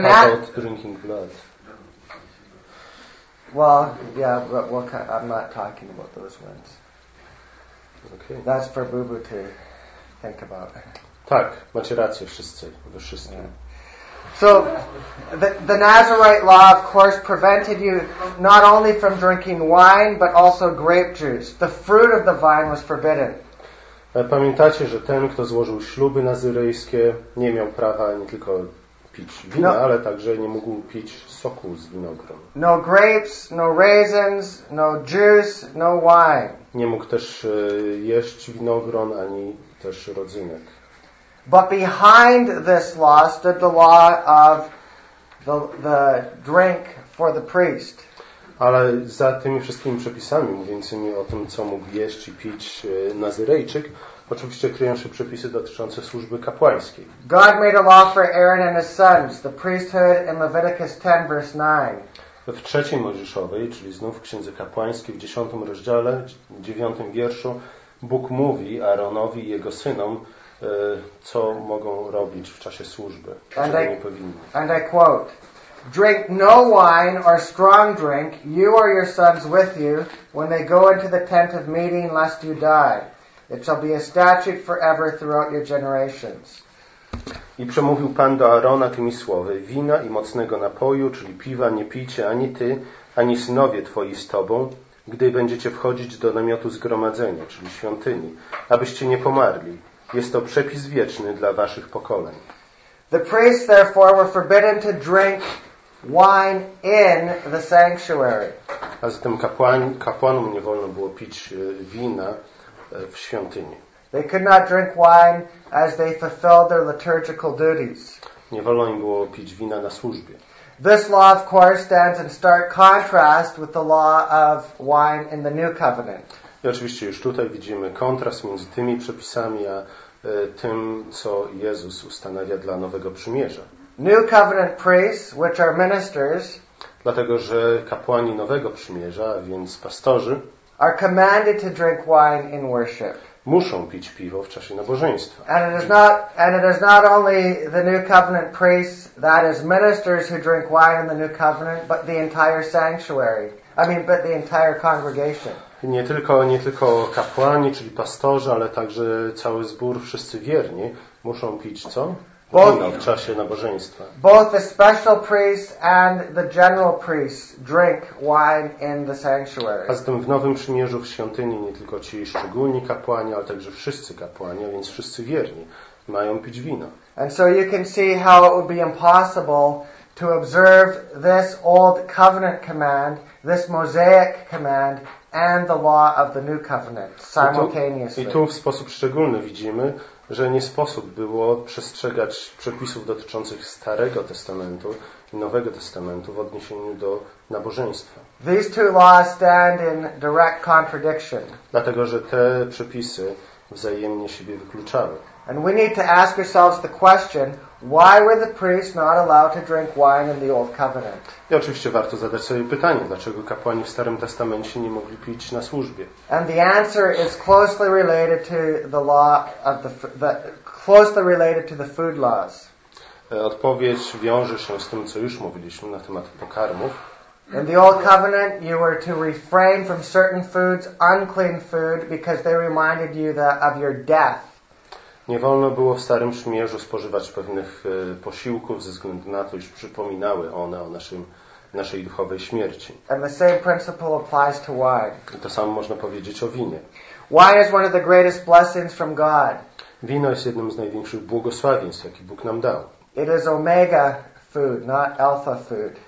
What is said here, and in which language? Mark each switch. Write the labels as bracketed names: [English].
[English] How about drinking blood? Well, yeah, but I'm not talking about those ones. Okay. That's for Bubu to think about. [Polish] Tak, macie rację wszyscy, we wszystkim. [English] Yeah. So, the Nazarite law, of course, prevented you not only from drinking wine, but also grape juice. The fruit of the vine was forbidden. [Polish] Pamiętacie, że ten, kto złożył śluby nazyryjskie, nie miał prawa nie tylko pić wina, no, ale także nie mógł pić soku z winogron. [English] No grapes, no raisins, no juice, no wine. [Polish] Nie mógł też jeść winogron ani też rodzynek. [English] But behind this law stood the law of the drink for the priest. [Polish] Ale za tymi wszystkimi przepisami mówiącymi o tym, co mógł jeść i pić Nazyrejczyk, oczywiście kryją się przepisy dotyczące służby kapłańskiej. [English] God made a law for Aaron and his sons, the priesthood in Leviticus 10, verse 9. [Polish] W trzeciej Mojżeszowej, czyli znów w Księdze Kapłańskiej, w 10 rozdziale, 9 wierszu, Bóg mówi Aaronowi i jego synom, co mogą robić w czasie służby, czego nie powinni. [English] And I quote, drink no wine or strong drink, you or your sons with you, when they go into the tent of meeting, lest you die. It shall be a statute forever throughout your generations. [Polish] I przemówił Pan do Aarona tymi słowy: wina i mocnego napoju, czyli piwa, nie pijcie ani ty, ani synowie twoi z tobą, gdy będziecie wchodzić do namiotu zgromadzenia, czyli świątyni, abyście nie pomarli. Jest to przepis wieczny dla waszych pokoleń. [English] The priests therefore were forbidden to drink wine in the sanctuary. [Polish] A zatem kapłanom nie wolno było pić wina w świątyni. [English] They could not drink wine as they fulfilled their liturgical duties. [Polish] Nie wolno im było pić wina na służbie. [English] This law, of course, stands in stark contrast with the law of wine in the New Covenant. [Polish] I oczywiście już tutaj widzimy kontrast między tymi przepisami a tym, co Jezus ustanawia dla Nowego Przymierza. [English] New Covenant priests, which are ministers, [Polish] dlatego że kapłani Nowego Przymierza, a więc pastorzy, [English] are commanded to drink wine in worship. [Polish] Muszą pić piwo w czasie nabożeństwa. [English] And it is not only the New Covenant priests, that is ministers, who drink wine in the New Covenant, but the entire sanctuary. But the entire congregation. [Polish] Nie tylko kapłani, czyli pastorzy, ale także cały zbór, wszyscy wierni muszą pić co? Wino w czasie nabożeństwa. [English] Both the special priests and the general priests drink wine in the sanctuary. [Polish] A zatem w Nowym Przymierzu, w świątyni, nie tylko ci szczególni kapłani, ale także wszyscy kapłani, a więc wszyscy wierni, mają pić wino. [English] And so you can see how it would be impossible to observe this old covenant command, this Mosaic command, and the law of the New Covenant simultaneously. [Polish] I tu w sposób szczególny widzimy, że nie sposób było przestrzegać przepisów dotyczących Starego Testamentu i Nowego Testamentu w odniesieniu do nabożeństwa. [English] These two laws stand in direct contradiction. [Polish] Dlatego że te przepisy wzajemnie siebie wykluczały. [English] And we need to ask ourselves the question, why were the priests not allowed to drink wine in the Old Covenant? [Polish] I oczywiście warto zadać sobie pytanie, dlaczego kapłani w Starym Testamencie nie mogli pić na służbie? [English] And the answer is closely related to the law of the food laws. [Polish] Odpowiedź wiąże się z tym, co już mówiliśmy na temat pokarmów. [English] In the Old Covenant, you were to refrain from certain foods, unclean food, because they reminded you of your death. [Polish] Nie wolno było w Starym Przymierzu spożywać pewnych posiłków ze względu na to, iż przypominały one o naszej duchowej śmierci. [English] And the same principle applies to wine. [Polish] I to samo można powiedzieć o winie. [English] Wine is one of the greatest blessings from God. [Polish] Wino jest jednym z największych błogosławieństw, jakie Bóg nam dał. [English] It is omega food, not alpha food.